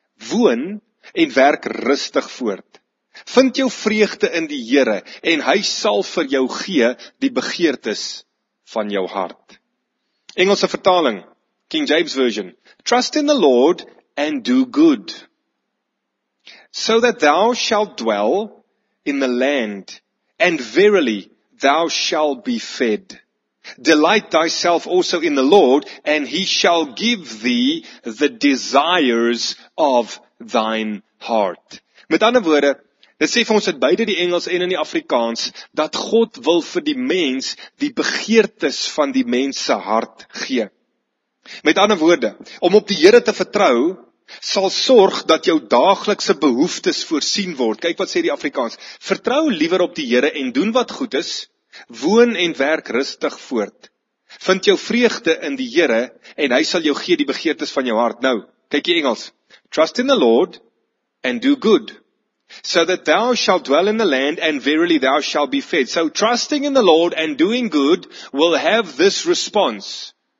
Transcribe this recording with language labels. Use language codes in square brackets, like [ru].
[af] Woon en werk rustig voort. Vind jou vreugde in die Here en hy sal vir jou gee die begeertes van jou hart. Engelse vertaling, King James Version. [en] Trust in the Lord and do good, so that thou shalt dwell in the land, and verily thou shalt be fed. Delight thyself also in the Lord, and he shall give thee the desires of thine heart. [af] Met ander woorde, dit sê vir ons uit beide die Engels en in die Afrikaans, dat God wil vir die mens die begeertes van die mens se hart gee. Met ander woorde, om op die Here te vertrou, sal sorg dat jou daaglikse behoeftes voorsien word. Kyk wat sê die Afrikaans. Vertrou liewer op die Here en doen wat goed is. Woon en werk rustig voort. Vind jou vreugde in die Here en hy sal jou gee die begeertes van jou hart. Nou, kyk die Engels. [en] Trust in the Lord and do good, so that thou shalt dwell in the land and verily thou shalt be fed. So trusting in the Lord and doing good will have this response.